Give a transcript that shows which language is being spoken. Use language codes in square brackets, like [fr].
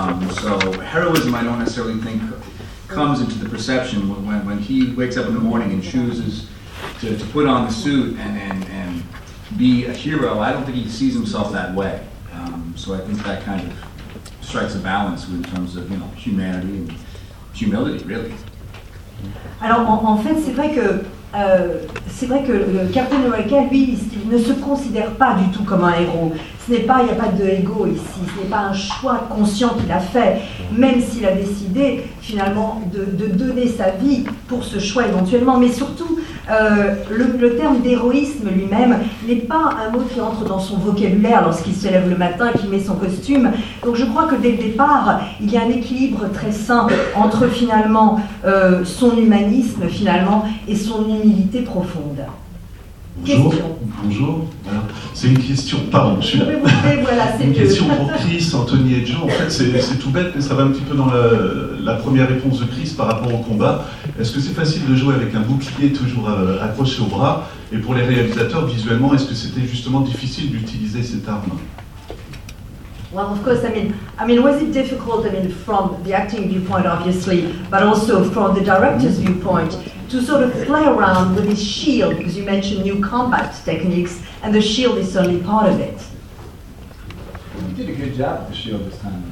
[en] So heroism, I don't necessarily think, comes into the perception when he wakes up in the morning and chooses to put on the suit and be a hero. I don't think he sees himself that way. So I think that kind of strikes a balance in terms of, you know, humanity and humility, really. [fr] Alors, en fait, c'est vrai que Captain America, lui, il ne se considère pas du tout comme un héros. Il n'y a pas d'ego ici, ce n'est pas un choix conscient qu'il a fait, même s'il a décidé, finalement, de donner sa vie pour ce choix éventuellement. Mais surtout, le terme d'héroïsme lui-même n'est pas un mot qui entre dans son vocabulaire lorsqu'il se lève le matin, qu'il met son costume. Donc je crois que dès le départ, il y a un équilibre très sain entre, finalement, son humanisme, finalement, et son humilité profonde. Bonjour. Bonjour. Voilà. C'est une question. Pardon, monsieur. Voilà, une question pour Chris, Anthony et Joe. En fait, c'est tout bête, mais ça va un petit peu dans la première réponse de Chris par rapport au combat. Est-ce que c'est facile de jouer avec un bouclier toujours accroché au bras? Et pour les réalisateurs, visuellement, est-ce que c'était justement difficile d'utiliser cette arme? [en] Well, of course. I mean, was it difficult? I mean, from the acting viewpoint, obviously, but also from the director's viewpoint, to sort of play around with his shield, because you mentioned new combat techniques, and the shield is certainly part of it. You did a good job with the shield this time.